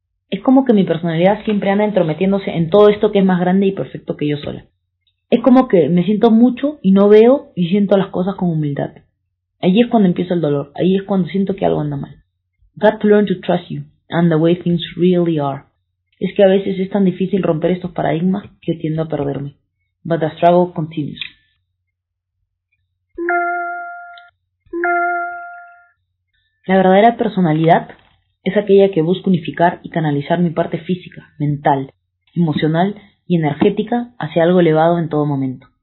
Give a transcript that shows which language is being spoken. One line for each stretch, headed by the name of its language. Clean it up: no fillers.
Spanish: Es como que mi personalidad siempre anda entrometiéndose en todo esto que es más grande y perfecto que yo sola. Es como que me siento mucho y no veo y siento las cosas con humildad. Ahí es cuando empieza el dolor, ahí es cuando siento que algo anda mal.
English: Got to learn to trust you and the way things really are.
Spanish: Es que a veces es tan difícil romper estos paradigmas que tiendo a perderme.
English: But the struggle continues.
Spanish: La verdadera personalidad es aquella que busca unificar y canalizar mi parte física, mental, emocional y energética hacia algo elevado en todo momento.